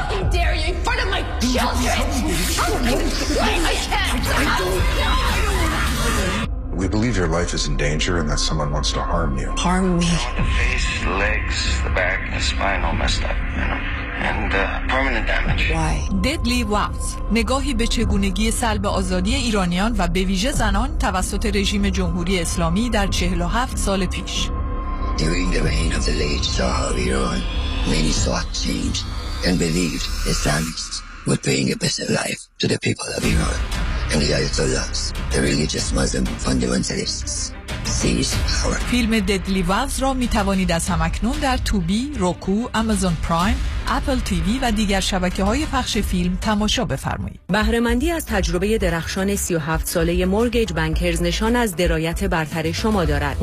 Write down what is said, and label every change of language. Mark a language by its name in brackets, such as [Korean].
[English] How dare you in front of my children. We believe your life is in danger and that someone wants to harm you. Harm me. The face, the legs, the back, the spine all messed up, you know. And permanent damage. Why? Deadly Wars. [Persian] نگاهی به چگونگی سلب آزادی ایرانیان و به ویژه زنان توسط رژیم جمهوری اسلامی در 47 سال پیش. [English] During the reign of the late Shah of Iran, many sought change and believed Islamists would bring a better life to the people of Iran. And the Ayatollahs, the religious Muslim fundamentalists, [Persian] فیلم Deadly Vows را می توانید از هماکنون در توبی، روکو، آمازون پرایم، اپل تیوی و دیگر شبکه‌های پخش فیلم تماشا بفرمایید. بهره‌مندی از تجربه درخشان 37 ساله مورگیج بانکرز نشان از درایت برتر شما دارد.